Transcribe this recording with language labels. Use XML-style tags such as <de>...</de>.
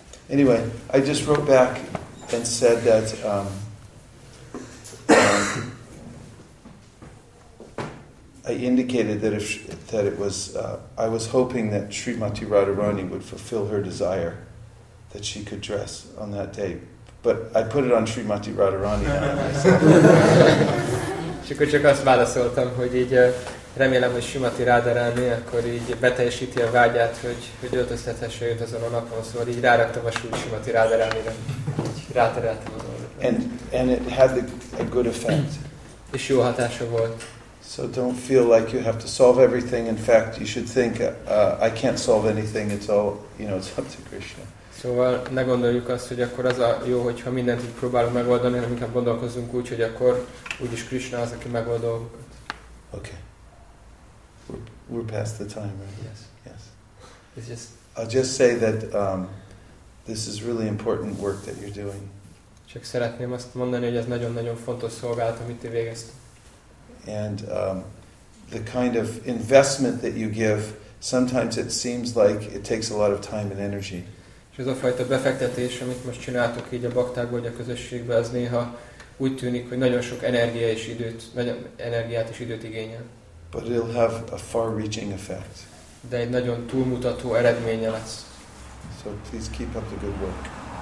<en>Anyway, I just wrote back and said that I indicated that I was hoping that Srimati Radharani would fulfill her desire that she could dress on that day. But I put it on Srimati Radharani.</en> <hu>És akkor csak azt válaszoltam, hogy így remélem, hogy Srimati Radharani akkor így beteljesíti a vágyát, hogy öltöztethesse őt azon a napon. Szóval így ráraktam a Srimati Radharanira. Ráterelte az oldalra.</hu> <en>And it had a good effect.</en> <hu>És jó hatása volt.</hu> <en>So don't feel like you have to solve everything. In fact, you should think, I can't solve anything. It's all, you know, it's up to Krishna.</en> <hu>Szóval ne gondoljuk azt, hogy akkor az a jó, hogyha mindent így próbálunk megoldani, hanem inkább gondolkozunk úgy, hogy akkor úgyis Krishna az, aki megold dolgokat.</hu> <en>Okay. We're past the time, right? Yes. It's just, I'll just say that this is really important work that you're doing.</en> <hu>Csak szeretném azt mondani, hogy ez nagyon-nagyon fontos szolgálat, amit ti végeztek.</hu> <en>And the kind of investment that you give, sometimes it seems like it takes a lot of time and energy.</en> <hu>És ez a fajta befektetés, amit most csináltok így a baktákból, vagy a közösségben, az néha úgy tűnik, hogy nagyon sok energia és időt, nagyon energiát és időt igényel.</hu> <en>But it'll have a far-reaching effect.</en> <hu>De egy nagyon túlmutató eredménye lesz.</hu> <en>So please keep up the good work.</en>